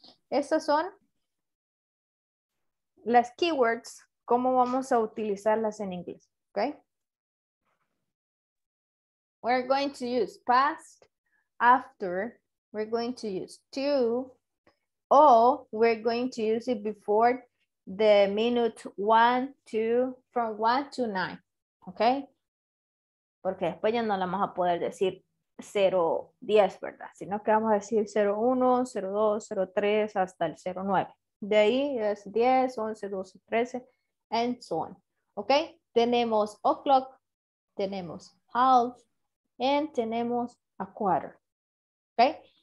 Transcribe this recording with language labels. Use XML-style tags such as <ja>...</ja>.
<es>Estas son las keywords, ¿cómo vamos a utilizarlas en inglés, okay?</es> <en>We're going to use past, after, we're going to use to, or we're going to use it before the minute 1, 2, from 1 to 9, okay?</en> <es>Porque después ya no la vamos a poder decir 0:10, ¿verdad? Sino que vamos a decir 0:01, 0:02, 0:03, hasta el 0:09. De ahí es 10, 11, 12, 13,</es> <en>and so on.</en> <es>¿Ok? tenemos o'clock, tenemos half, and tenemos a quarter. Okay?</es>